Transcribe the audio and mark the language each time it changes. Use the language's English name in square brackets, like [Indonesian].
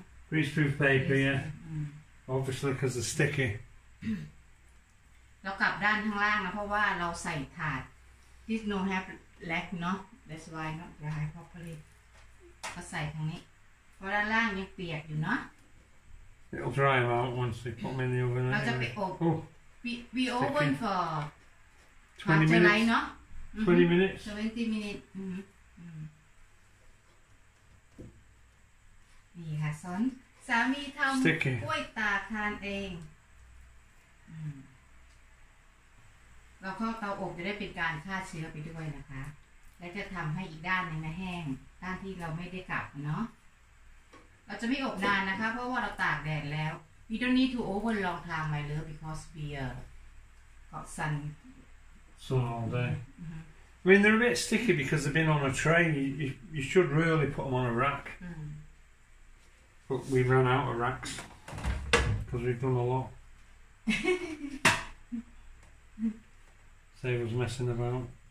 [English] Greaseproof paper, grease, yeah. Obviously because they're sticky. [Thai] เรากลับด้านข้างล่างนะเพราะว่าเราใส่ถาด [English] this no have lack [Thai] เนาะ [English] that's why not dry properly [Thai] ก็ใส่ตรงนี้เพราะด้านล่างยังเปียกอยู่เนา [English] ะ it'll dry out once they put them in the oven [Thai] เราจะไปอบ [English] we oven for 20 minutes 20 minutes [Thai] 20 minutes นี่ค่ะสอนสามีทำกล้วยตาทานเองเราก็เตาอบจะได้เป็นการฆ่าเชื้อไปด้วยนะคะและจะทำให้อีกด้านนึงนะแห้งด้านที่เราไม่ได้กลับเนาะเราจะไม่อบนานนะคะเพราะว่าเราตากแดดแล้ว [English] We don't need to over long time my love because we got sun sun all day I mean they're a bit sticky because they've been on a tray you should really put them on a rack but we ran out of racks because we've done a lotSave us messing about.